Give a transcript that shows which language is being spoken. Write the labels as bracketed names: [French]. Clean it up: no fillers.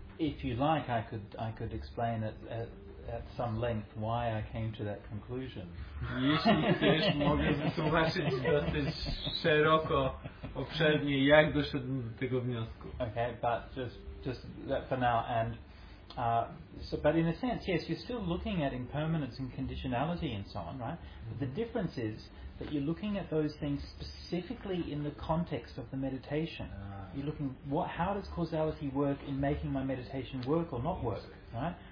[English] If you like, I could explain it at some length why I came to that conclusion. [Polish] Jeśli chcesz, mogę wytłumaczyć dosyć szeroko, obszernie, jak doszedłem do tego wniosku. [English] Okay, but just that for now. And but in a sense, yes, you're still looking at impermanence and conditionality and so on, right? But the difference is that you're looking at those things specifically in the context of the meditation. You're looking, how does causality work in making my meditation work or not work, right?